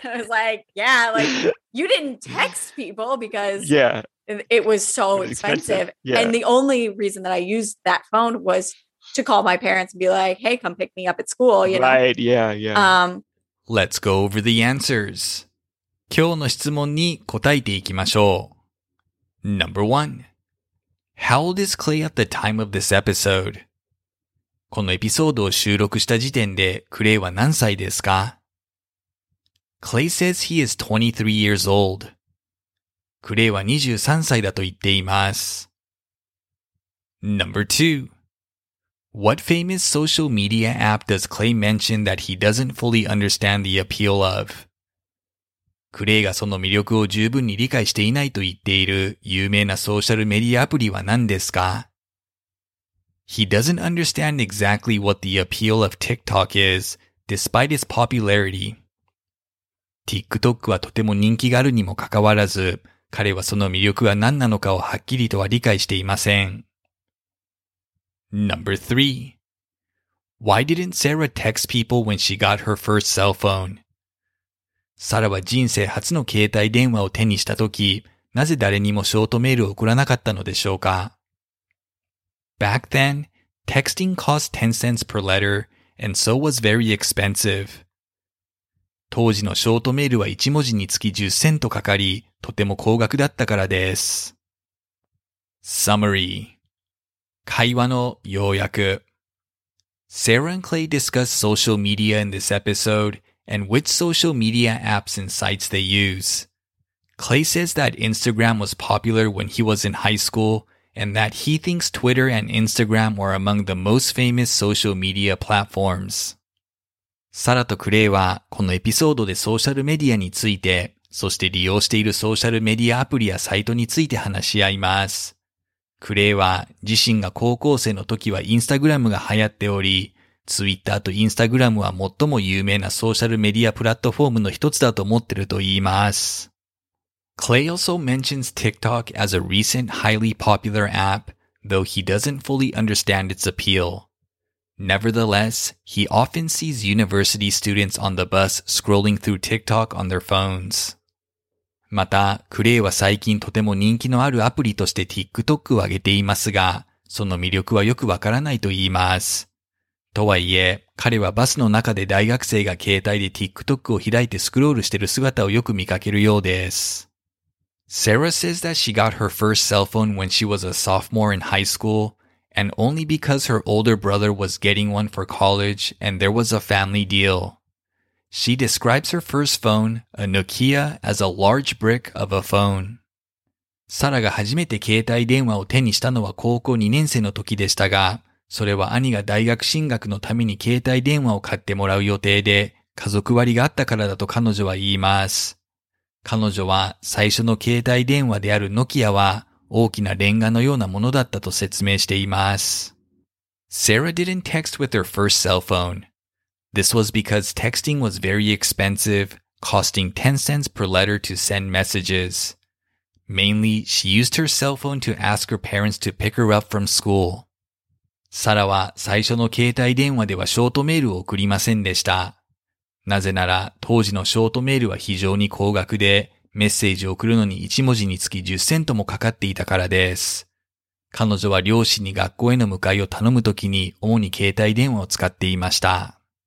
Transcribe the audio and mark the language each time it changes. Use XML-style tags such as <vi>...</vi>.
<en>I was like, you didn't text people because it was so expensive. And the only reason that I used that phone was,to call my parents and be like, hey, come pick me up at school, you know? Right, yeah, yeah. Let's go over the answers.</en> <ja>今日の質問に答えていきましょう。</ja> <en>Number one. How old is Clay at the time of this episode?</en> <ja>このエピソードを収録した時点でクレイは何歳ですか?</ja> <en>Clay says he is 23 years old.</en> <ja>クレイは23歳だと言っています。</ja> <en>Number two. What famous social media app does Clay mention that he doesn't fully understand the appeal of?</en> <ja>クレイがその魅力を十分に理解していないと言っている有名なソーシャルメディアアプリは何ですか?</ja> <en>He doesn't understand exactly what the appeal of TikTok is, despite its popularity.</en> <ja>TikTok はとても人気があるにもかかわらず、彼はその魅力が何なのかをはっきりとは理解していません。</ja> <en>Number three. Why didn't Sarah text people when she got her first cell phone?</en> <ja>サラは人生初の携帯電話を手にしたとき、なぜ誰にもショートメールを送らなかったのでしょうか?</ja> <en>Back then, texting cost 10 cents per letter, and so was very expensive.</en> <ja>当時のショートメールは1文字につき10セントかかり、とても高額だったからです。</ja> <en>Summary</en> <ja>会話の要約</ja> <en>Sarah and Clay discuss social media in this episode and which social media apps and sites they use. Clay says that Instagram was popular when he was in high school and that he thinks Twitter and Instagram were among the most famous social media platforms.</en> <ja>サラとクレイはこのエピソードでソーシャルメディアについて、そして利用しているソーシャルメディアアプリやサイトについて話し合います。クレイは自身が高校生の時はインスタグラムが流行っており、ツイッターとインスタグラムは最も有名なソーシャルメディアプラットフォームの一つだと思ってると言います。</ja> <en>Clay also mentions TikTok as a recent highly popular app, though he doesn't fully understand its appeal. Nevertheless, he often sees university students on the bus scrolling through TikTok on their phones.</en> <ja>また、クレイは最近とても人気のあるアプリとして TikTok を挙げていますが、その魅力はよくわからないと言います。とはいえ、彼はバスの中で大学生が携帯で TikTok を開いてスクロールしている姿をよく見かけるようです。</ja> <en>Sarah says that she got her first cell phone when she was a sophomore in high school, and only because her older brother was getting one for college and there was a family deal. She describes her first phone, a Nokia, as a large brick of a phone.</en> <ja>サラが初めて携帯電話を手にしたのは高校2年生の時でしたが、それは兄が大学進学のために携帯電話を買ってもらう予定で、家族割があったからだと彼女は言います。彼女は最初の携帯電話であるノキアは大きなレンガのようなものだったと説明しています。</ja> <en>Sarah didn't text with her first cell phone. This was because texting was very expensive, costing 10 cents per letter to send messages. Mainly, she used her cell phone to ask her parents to pick her up from school.</en> <ja>サラは最初の携帯電話ではショートメールを送りませんでした。なぜなら当時のショートメールは非常に高額で、メッセージを送るのに1文字につき10セントもかかっていたからです。彼女は両親に学校への迎えを頼むときに主に携帯電話を使っていました。</ja>